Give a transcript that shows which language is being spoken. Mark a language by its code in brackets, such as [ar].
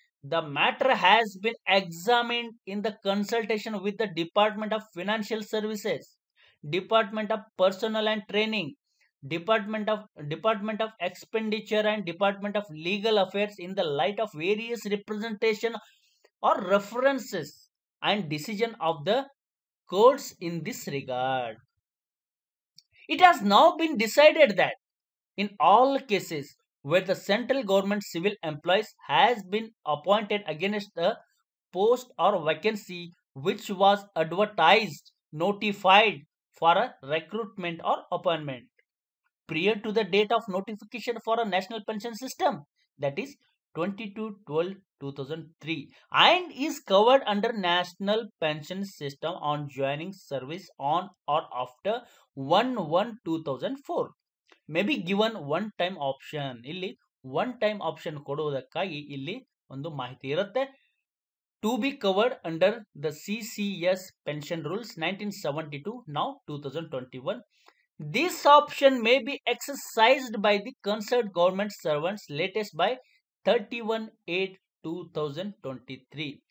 [en] The matter has been examined in the consultation with the department of financial services, department of personnel and training, department of expenditure and department of legal affairs in the light of various representation or references and decision of the courts in this regard. It has now been decided that in all cases where the central government civil employees has been appointed against a post or vacancy which was advertised, notified for a recruitment or appointment prior to the date of notification for a national pension system, that is 22-12-2003, and is covered under national pension system on joining service on or after 1-1-2004. May be given one time option, [kn] ಇಲ್ಲಿ one time option ಕೊಡುವುದಕ್ಕಾಗಿ ಇಲ್ಲಿ ಒಂದು ಮಾಹಿತಿ ಇರುತ್ತೆ. [en] To be covered under the CCS pension rules 1972 now 2021. This option may be exercised by the concerned government servants latest by 31-8-2023.